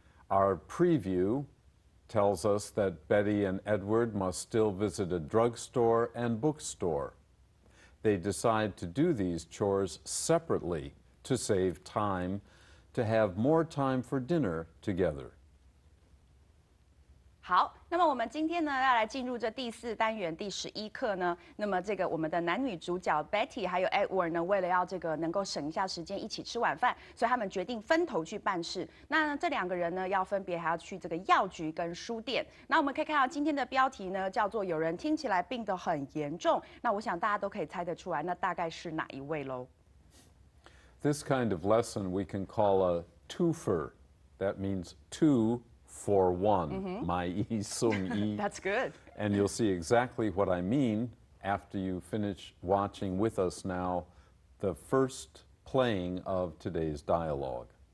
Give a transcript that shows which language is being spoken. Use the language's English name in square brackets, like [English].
[English] Our preview tells us that Betty and Edward must still visit a drugstore and bookstore. They decide to do these chores separately to save time, to have more time for dinner together. [Chinese] 好，那么我们今天呢，要来进入这第四单元第十一课呢。那么这个我们的男女主角 Betty 还有 Edward 呢，为了要这个能够省一下时间一起吃晚饭，所以他们决定分头去办事。那这两个人呢，要分别还要去这个药局跟书店。那我们可以看到今天的标题呢，叫做有人听起来病得很严重。那我想大家都可以猜得出来，那大概是哪一位喽 [English] ？This kind of lesson we can call a twofer. That means two. For one, my yi sung yi. That's good. And you'll see exactly what I mean after you finish watching with us now the first playing of today's dialogue.